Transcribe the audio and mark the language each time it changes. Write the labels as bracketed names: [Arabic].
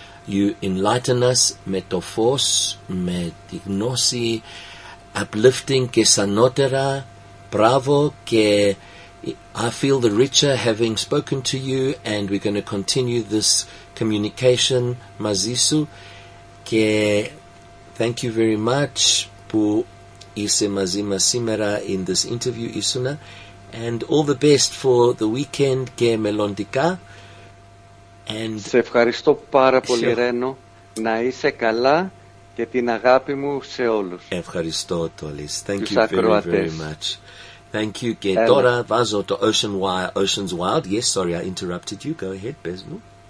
[English] You enlighten us [Greek] με το φως, με τη γνώση, uplifting και σανότερα. [English] Bravo, και I feel the richer having spoken to you, and we're going to continue this communication [Greek] μαζί σου. [English] Και thank you very much [Greek] που είσαι μαζί μας σήμερα [English] in this interview, Ισούνα. And all the best for the weekend [Greek] και μελλοντικά. [English] And [Greek] σε ευχαριστώ πάρα πολύ, Ρένο. Να είσαι καλά και την αγάπη μου σε όλους. Ευχαριστώ, [English] Τόλις. Thank you very, very much. Thank you. [Greek] Και τώρα βάζω το Ocean's Wild. [English] Yes, sorry, I interrupted you. Go ahead, [Greek] πες μου.